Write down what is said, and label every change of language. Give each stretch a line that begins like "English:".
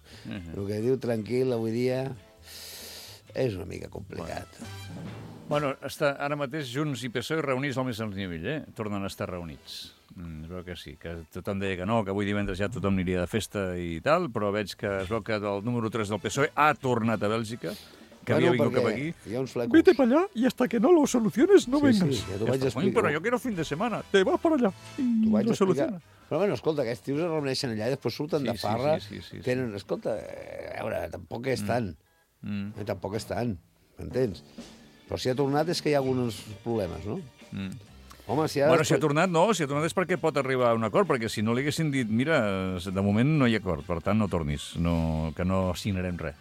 Catalan: El que diu tranquil avui dia és una mica complicat. Bueno, està ara mateix Junts i PSOE reunits al més alt nivell, eh? Tornen a estar reunits. Es veu que sí, que tothom deia que no, que avui divendres ja tothom aniria de festa i tal, però veig que es veu que el número 3 del PSOE ha tornat a Bèlgica, que bueno, havia vingut cap aquí. Hi ha uns flecos.
Spanish: Vete para allá y hasta que no lo soluciones no vengas.
Catalan: Sí, ja t'ho vaig explicar. Però jo
Spanish: quiero fin de semana, te vas para allá y lo soluciona.
Catalan: Però bueno, escolta, aquests tios es reuneixen allà i després surten de farra. Sí. Tenen, escolta, a veure, tampoc és tant. Tampoc és tant, m'entens? Però si ha tornat és que hi ha alguns problemes, no? Home, si ha... Bueno, si ha tornat, no. Si ha tornat és perquè pot arribar a un acord, perquè si no li haguessin dit, mira, de moment no hi ha acord, per tant, no tornis, no, que no signarem res.